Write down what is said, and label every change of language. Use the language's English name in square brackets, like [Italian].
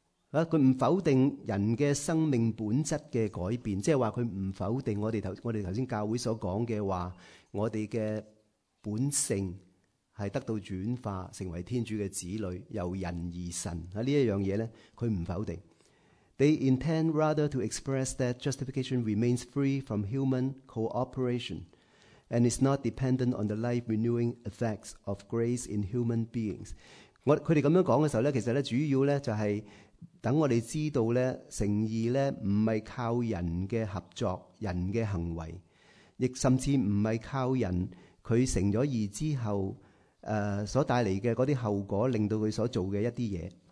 [Chinese] 他不否定人的生命本质的改变，即是说他不否定我们刚才教会所讲的话，我们的本性是得到转化，成为天主的子女，由人而神。这一样东西他不否定。 [English] They intend rather to express that justification remains free from human cooperation and is not dependent on the life-renewing effects of grace in human beings. [Chinese] 他们这样讲的时候，其实主要就是让我们知道诚意不是靠人的合作、人的行为，亦甚至不是靠人他成了义之后所带来的那些后果令到他所做的一些事。